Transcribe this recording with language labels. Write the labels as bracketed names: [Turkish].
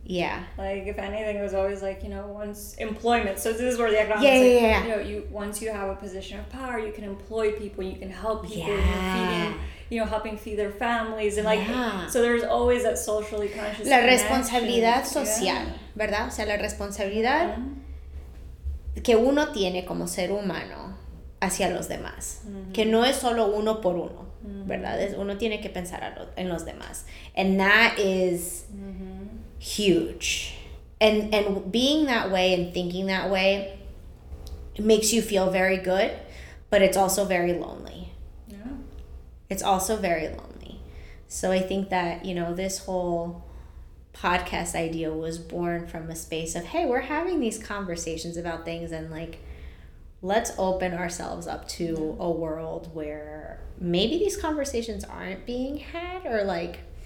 [English] Yeah. Like, if anything, it was always like, you know, once employment. So this is where the economics. You know, once you have a position of power, you can employ people, you can help people, you're feeding you know, helping feed their families. And like, so there's always that socially conscious [Spanish] connection. La responsabilidad social, ¿verdad? O sea, la responsabilidad que uno tiene como ser humano hacia los demás. Que no es solo uno por uno, ¿verdad? Es, uno tiene que pensar a lo, en los demás. [English] And that is huge. And being that way and thinking that way makes you feel very good, but it's also very lonely. Yeah. It's also very lonely. So I think that, you know, this whole podcast idea was born from a space of, hey, we're having these conversations about things and like, let's open ourselves up to a world where maybe these conversations aren't being had, or like,